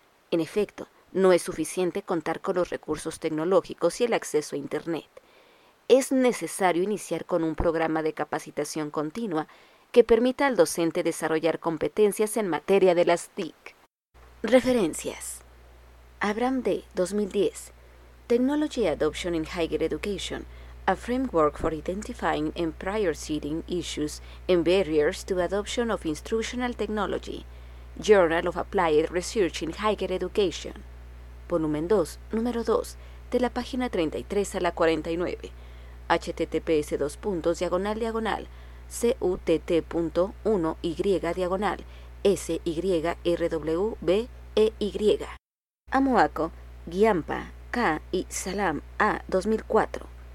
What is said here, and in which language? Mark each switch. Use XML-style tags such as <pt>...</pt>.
<es>En efecto, no es suficiente contar con los recursos tecnológicos y el acceso a Internet. Es necesario iniciar con un programa de capacitación continua que permita al docente desarrollar competencias en materia de las TIC. Referencias. Abraham D., 2010.</es> <en>Technology Adoption in Higher Education, a Framework for Identifying and Prioritizing Issues and Barriers to Adoption of Instructional Technology, Journal of Applied Research in Higher Education.</en> <es>Volumen 2, número 2, de la página 33 a la 49. https://cutt.1y/syrwbey. Amoaco, Guiampa, K y Salam, A, 2004.</es>